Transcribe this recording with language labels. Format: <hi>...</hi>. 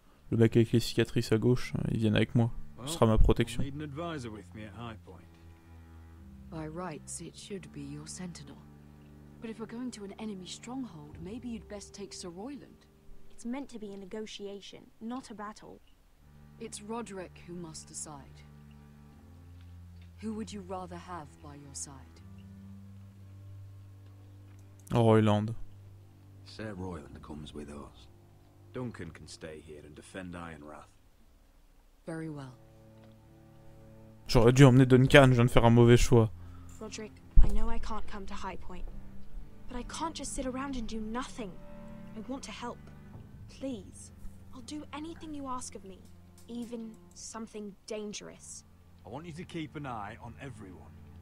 <fr>Le mec avec les cicatrices à gauche, il vienne avec moi. Ce sera ma protection.</fr> <en>Well, I need an advisor with me at High Point. By rights, it should be your sentinel. But if we're going to an enemy stronghold, maybe you'd best take Sir Roiland. It's meant to be a negotiation, not a battle. It's Roderick who must decide. Who would you rather have by your side? Roiland. Sir Roiland comes with us. Duncan can stay here and defend Ironwrath. Very well.</en> <fr>J'aurais dû emmener Duncan, je viens de faire un mauvais choix.</fr> <en>Roderick, I know I can't come to High Point, but I can't just sit around and do nothing. I want to help. Please, I'll do anything you ask of me, even something dangerous. I want you to keep an eye on everyone.</en>